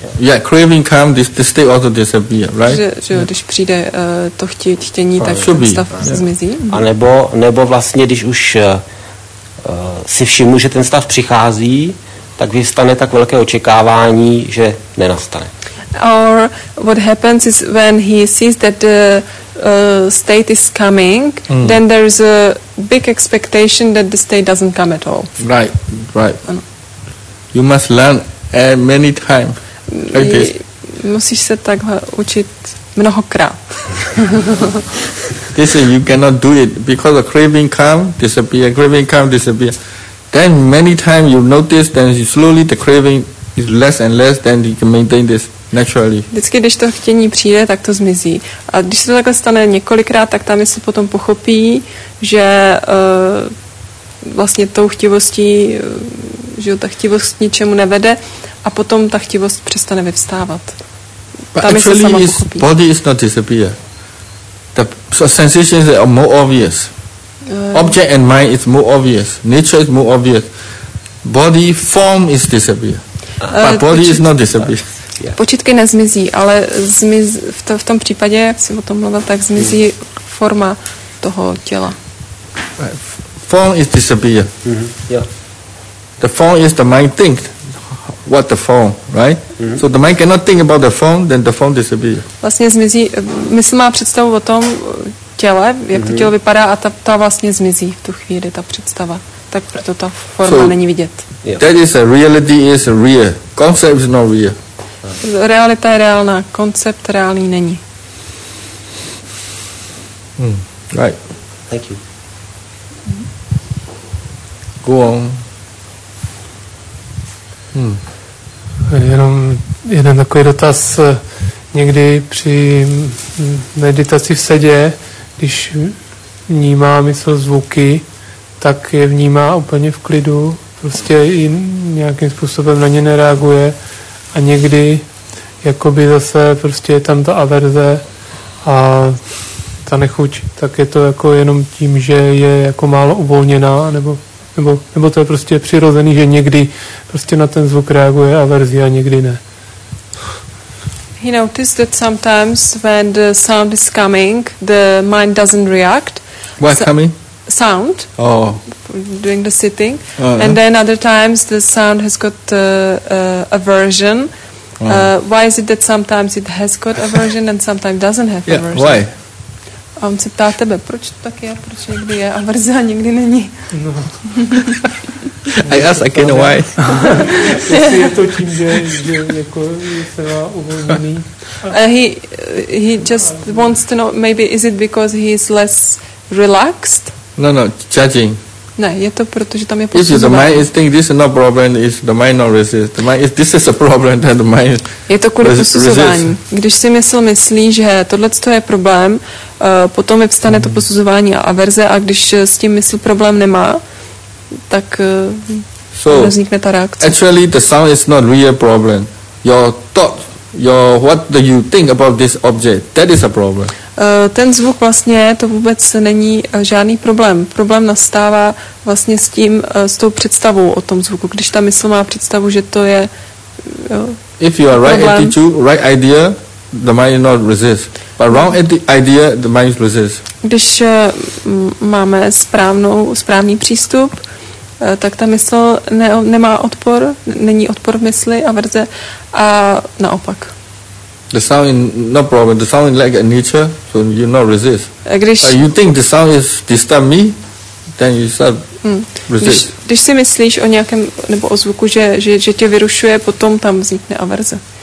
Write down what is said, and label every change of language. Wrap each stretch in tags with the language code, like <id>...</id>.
<en>Yeah, craving comes, the state also disappears, right?</en> <cs>Když přijde to chtění, tak ten stav zmizí. A nebo vlastně, když už si všimnu, že ten stav přichází, tak vystane tak velké očekávání, že nenastane.</cs> <en>Or what happens is when he sees that the state is coming, then there is a big expectation that the state doesn't come at all. Right, right. You must learn many times like this. Musíš se takhle učit mnohokrát. This is, you cannot do it because a craving come, disappear, craving come, disappear. Then many times you notice, then slowly the craving is less and less, then you can maintain this. Naturally.</en> <cs>Vždycky, když to chtění přijde, tak to zmizí. A když se to takhle stane několikrát, tak ta mysl potom pochopí, že vlastně tou chtivostí, že ta chtivost k ničemu nevede a potom ta chtivost přestane vyvstávat.</cs> <en>But</en> <cs>ta mysl sama pochopí.</cs> <en>Body is not disappear. The sensations are more obvious. Object and mind is more obvious. Nature is more obvious. Body form is disappear. But body is not disappear. Yeah.</en> <cs>Počítky nezmizí, ale v tom případě, jak si o tom mluvil, tak zmizí forma toho těla.</cs> <en>Form is disappear. Mm-hmm. Yeah. The form is the mind think. What the form, right? Mm-hmm. So the mind cannot think about the form, then the form disappears.</en> <cs>Vlastně zmizí, mysl má představu o tom těle, jak to tělo vypadá a ta vlastně zmizí v tu chvíli, ta představa. Tak proto ta forma není vidět.</cs> <en>Yeah. That is a reality is a real. Concept is not real.</en> <cs>Realita je reálná, koncept reálný není.</cs> <en>Hmm. Right. Thank you. Go on.</en> <cs>Jenom jeden takový dotaz. Někdy při meditaci v sedě, když vnímá mysl zvuky, tak je vnímá úplně v klidu, prostě i nějakým způsobem na ně nereaguje. A někdy jakoby zase prostě je tam ta averze a ta nechuť, tak je to jako jenom tím, že je jako málo uvolněná, nebo to je prostě přirozený, že někdy prostě na ten zvuk reaguje averzi a někdy ne.</cs> <en>He noticed that sometimes when the sound is coming, the mind doesn't react. What coming? Sound. Oh. During the sitting. And then other times the sound has got aversion. Why is it that sometimes it has got aversion and sometimes doesn't have aversion? Yeah, why?</en> <cs>A on se ptá tebe, proč tak je, proč někdy je averze a nikdy není.</cs> <en>No. I ask again why.</en> <cs>Jestli je to tím, že jako se má uvolněný.</cs> <en>He just wants to know, maybe is it because he is less relaxed? No, judging.</en> <cs>Ne, je to proto, že tam je posuzování.</cs> <en>If the mind is thinking this is not problem, if the mind not resist. The mind, if this is a problem, then the mind resist.</en> <cs>Je to kvůli posuzování. Když si mysl myslí, že tohleto je problém, potom vyvstane to posuzování a averze, a když s tím mysl problém nemá, tak vznikne ta reakce.</cs> <en>Actually, the sound is not real problem. Your thought, what do you think about this object, that is a problem.</en> <cs>Ten zvuk vlastně, to vůbec není žádný problém. Problém nastává vlastně s tím, s tou představou o tom zvuku. Když ta mysl má představu, že to je problém.</cs> <en>If you are right attitude, right idea, the mind will not resist. But wrong idea, the mind will resist.</en> <cs>Když máme správný přístup, tak ta mysl nemá odpor, není odpor v mysli a verze, a naopak.</cs> <en>The sound is no problem. The sound is like a nature, so you not resist.</en> <cs>Když,</cs> <en>but you think the sound is disturb me, then you start resist.</en> <cs>Když si myslíš o nějakém nebo o zvuku, že tě vyrušuje, potom tam vznikne averze.</cs>